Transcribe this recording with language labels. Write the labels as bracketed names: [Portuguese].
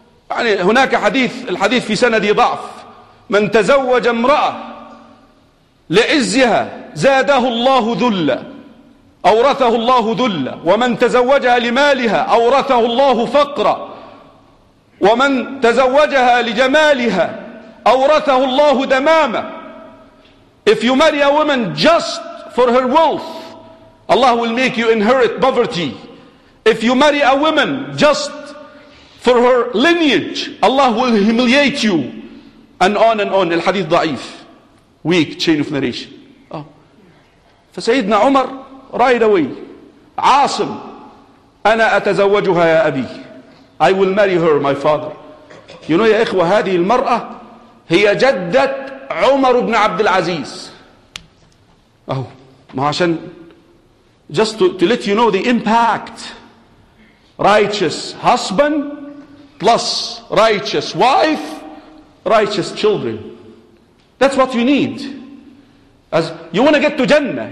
[Arabic] يعني هناك حديث، الحديث في سندي ضعف. من تزوج امرأة لعزها زاده الله ذلا أورثه الله ذلا ومن تزوجها لمالها أورثه الله فقرا ومن تزوجها لجمالها أورثه الله دمامة. [English] If you marry a woman just for her wealth, Allah will make you inherit poverty. If you marry a woman just for her lineage, Allah will humiliate you. And on and on. [Arabic] الحديث ضعيف. [English] Weak chain of narration. [Arabic] فسيدنا عمر [English] right away. [Arabic] عاصم. أنا أتزوجها يا أبي. [English] I will marry her, my father. You know, [Arabic] يا إخوة, هذه المرأة هي جدة عمر بن عبد العزيز. عشان [English] just to let you know the impact. Righteous husband plus righteous wife. Righteous children. That's what you need. As you want to get to Jannah.